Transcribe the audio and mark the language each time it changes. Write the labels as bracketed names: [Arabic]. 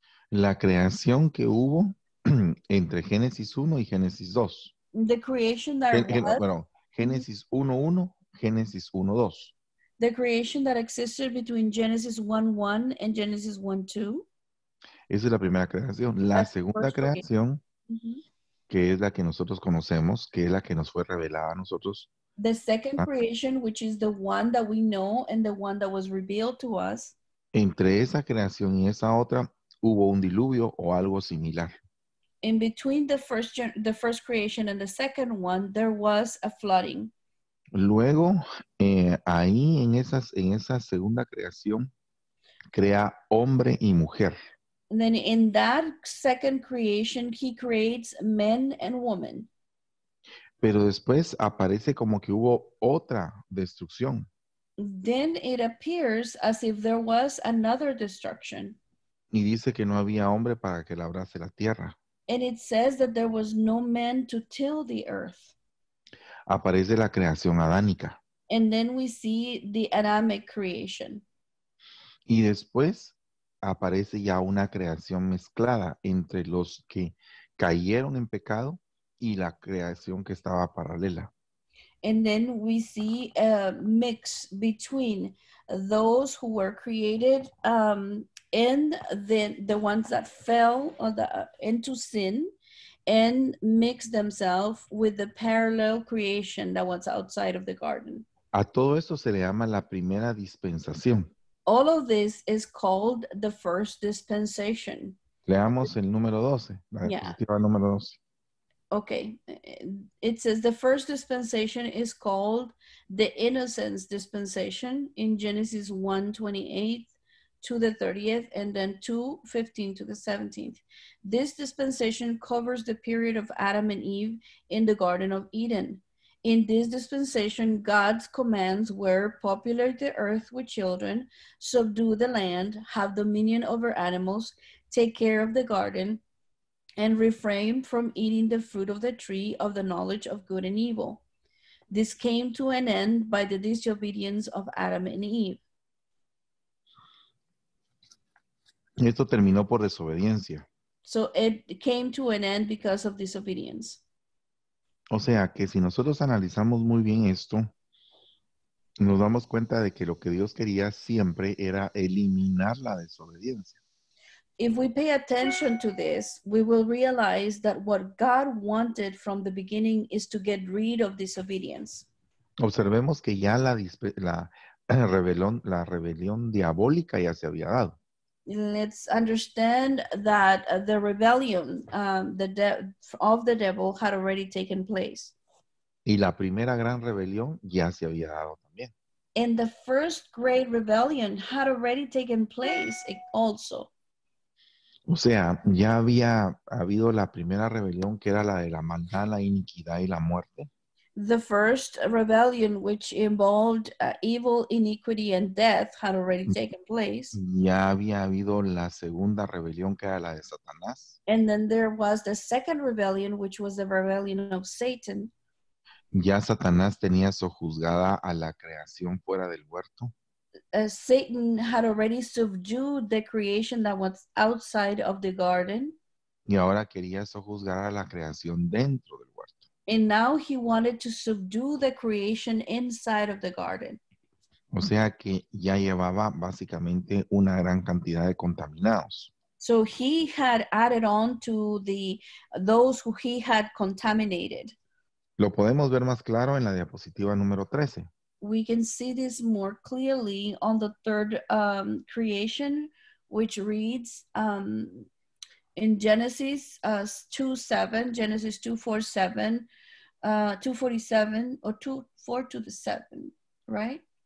[Spanish] La creación que hubo entre Génesis 1 y Génesis 2. [English] The creation that [Spanish] Génesis 1:1, Génesis 1:2. [English] The creation that existed between Genesis 1:1 and Genesis 1:2. [Spanish] Esa es la primera creación. La segunda creación, que es la que nosotros conocemos, que es la que nos fue revelada a nosotros. [English] The second creation, which is the one that we know and the one that was revealed to us. [Spanish] Entre esa creación y esa otra, hubo un diluvio o algo similar. [English] In between the first creation and the second one, there was a flooding. [Spanish] Luego, ahí en esa segunda creación, crea hombre y mujer. [English] And then in that second creation, he creates men and women. [Spanish] Pero después aparece como que hubo otra destrucción. [English] Then it appears as if there was another destruction. [Spanish] Y dice que no había hombre para que labrase la tierra. [English] And it says that there was no man to till the earth. [Spanish] Aparece la creación adánica. [English] And then we see the Adamic creation. [Spanish] Y después aparece ya una creación mezclada entre los que cayeron en pecado y la creación que estaba paralela. [English] And then we see a mix between those who were created and the ones that fell into sin and mixed themselves with the parallel creation that was outside of the garden. [Spanish] A todo esto se le llama la primera dispensación. [English] All of this is called the first dispensation. [Spanish] Leamos el número 12, la diapositiva yeah. número 12. [English] Okay, it says the first dispensation is called the innocence dispensation in Genesis 1:28 to the 30th and then 2:15 to the 17th. This dispensation covers the period of Adam and Eve in the Garden of Eden. In this dispensation, God's commands were populate the earth with children, subdue the land, have dominion over animals, take care of the garden, and refrain from eating the fruit of the tree of the knowledge of good and evil. This came to an end by the disobedience of Adam and Eve. [Spanish] Esto terminó por desobediencia. [English] So it came to an end because of disobedience. [Spanish] O sea, que si nosotros analizamos muy bien esto, nos damos cuenta de que lo que Dios quería siempre era eliminar la desobediencia. [English] If we pay attention to this, we will realize that what God wanted from the beginning is to get rid of disobedience. [Spanish] Observemos que ya la rebelión diabólica ya se había dado. [English] Let's understand that the rebellion of the devil had already taken place. [Spanish] Y la primera gran rebelión ya se había dado también. [English] And the first great rebellion had already taken place also. [Spanish] O sea, ya había habido la primera rebelión que era la de la maldad, la iniquidad y la muerte. [English] The first rebellion which involved evil, iniquity and death had already taken place. [Spanish] Ya había habido la segunda rebelión que era la de Satanás. [English] And then there was the second rebellion which was the rebellion of Satan. [Spanish] Ya Satanás tenía sojuzgada a la creación fuera del huerto. [English] Satan had already subdued the creation that was outside of the garden. [Spanish] Y ahora quería sojuzgar a la creación dentro del huerto. [English] And now he wanted to subdue the creation inside of the garden. [Spanish] O sea que ya llevaba básicamente una gran cantidad de contaminados. [English] So he had added on to those who he had contaminated. [Spanish] Lo podemos ver más claro en la diapositiva número 13. [English] We can see this more clearly on the third creation, which reads in Genesis 2:7, Genesis 2:47, 2:47 or 2:4 to the 7, right?